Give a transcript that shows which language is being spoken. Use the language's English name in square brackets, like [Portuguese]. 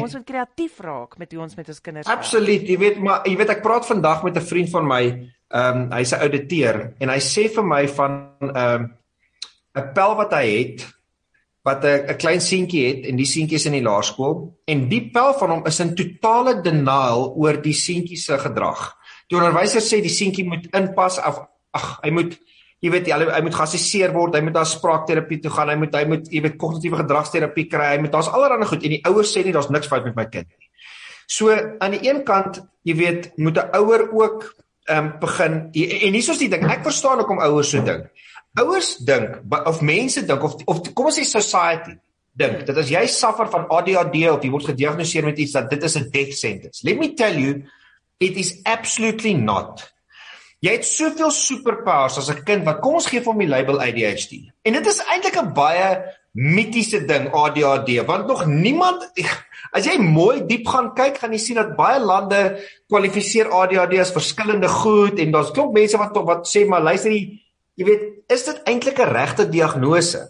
[Afrikaans] Ons moet kreatief raak met hoe ons met ons kinders. Absoluut, jy weet maar jy weet ek praat vandag met 'n vriend van my, hy's 'n ouditeur en hy sê vir my van 'n pel wat hy het wat 'n klein seentjie het en die seentjie is in die laerskool en die pel van hom is in totale denial oor die seentjie se gedrag. Die onderwyser sê die seentjie moet inpas of ag, hy moet jy weet hy moet geassesseer word, hy moet na spraakterapie toe gaan, hy moet jy weet kognitiewe gedragsterapie kry, hy moet, daar's allerlei goed en die ouers sê nie daar's niks fout met my kind nie. So aan die een kant, jy weet, moet 'n ouer ook begin en hier is die ding, ek verstaan hoekom ouers so dink. Ouers dink of mense dink of kom ons sê society dink dat as jy suffer van ADHD of jy word gediagnoseer met iets dat dit is 'n [English] death sentence. Let me tell you, it is absolutely not. [Afrikaans] Jy het soveel superpowers as 'n kind wat kom ons gee hom die label ADHD. En dit is eintlik 'n baie mitiese ding ADHD, want nog niemand, as jy mooi diep gaan kyk, gaan jy sien dat baie lande kwalifiseer ADHD as verskillende goed en daar's klop mense wat sê maar luister die, jy weet, is dit eintlik 'n regte diagnose?